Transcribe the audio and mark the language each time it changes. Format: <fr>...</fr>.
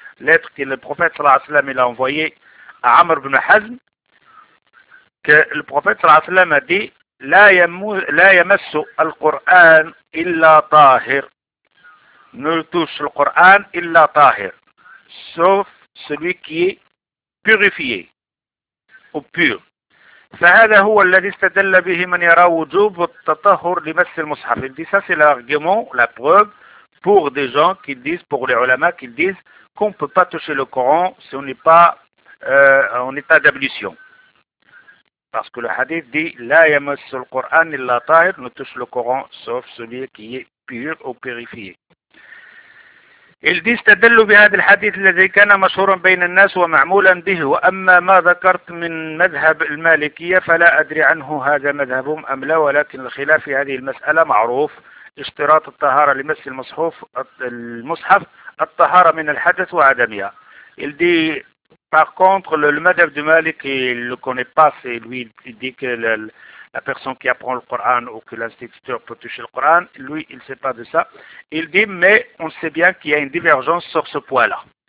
<fr>lettre que le prophète sallallahu alayhi wa sallam il a envoyée à Amr ibn Hazm, que le prophète sallallahu alayhi wa sallam a dit</fr> <ar>La yamassu al-Qur'an illa tahir.</ar> <fr>Ne touche le Qur'an illa tahir. Sauf celui qui est purifié ou pur.</fr> <ar>فهذا هو الذي استدل به من يرى وجوب التطهر لمس المصحف.</ar> <fr>Il dit ça c'est l'argument, la preuve pour des gens qui disent, pour les ulama qui disent qu'on ne peut pas toucher le Coran si on n'est pas en état d'ablution. Parce que le hadith dit</fr> <ar>La yamassu al-Qur'an illa tahir,</ar> <fr>ne touche le Coran sauf celui qui est pur ou purifié. Il dit</fr> <ar>استدل بهذا الحديث الذي كان مشهورا بين الناس ومعمولا به وأما ما ذكرت من مذهب المالكية فلا أدري عنه هذا مذهبهم أم لا ولكن الخلاف في هذه المسألة معروف اشتراط الطهارة لمس المصحف الطهارة من الحدث وعدمها.</ar> <fr>Il dit par contre le madhhab du Malik il le connaît pas, c'est lui il dit que la personne qui apprend le Coran ou que l'instituteur peut toucher le Coran, lui, il ne sait pas de ça. Il dit, mais on sait bien qu'il y a une divergence sur ce point-là.</fr>